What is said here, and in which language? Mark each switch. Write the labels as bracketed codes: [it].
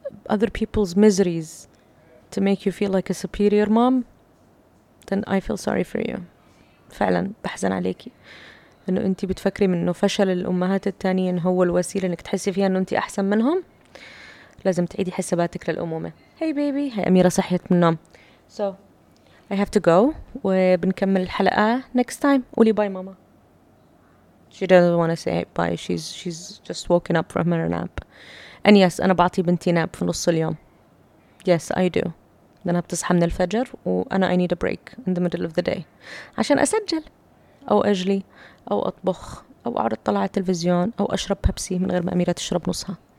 [en] other people's miseries to make you feel like a superior mom then I feel sorry for you [ar] فعلا بحزن عليكي انه انت بتفكري منه فشل الامهات التانيين هو الوسيله انك تحسي فيها انه انت احسن منهم لازم تعيدي حساباتك للامومه هي بيبي هي اميره صحيت من النوم [en] So I have to go. [ar] وبنكمل الحلقة [en] next time. [ar] قولي باي ماما. [en] She doesn't want to say it bye. She's just woken up from her nap. And yes, [ar] أنا بعطي بنتي nap في نص اليوم. [en] Yes, I do. [ar] لأنها بتصحى من الفجر وأنا [en] I need a break in the middle of the day. [ar] عشان أسجل أو أجلي أو أطبخ أو أقعد أطلع على التلفزيون أو أشرب بيبسي من غير ما أميرة تشرب نصها.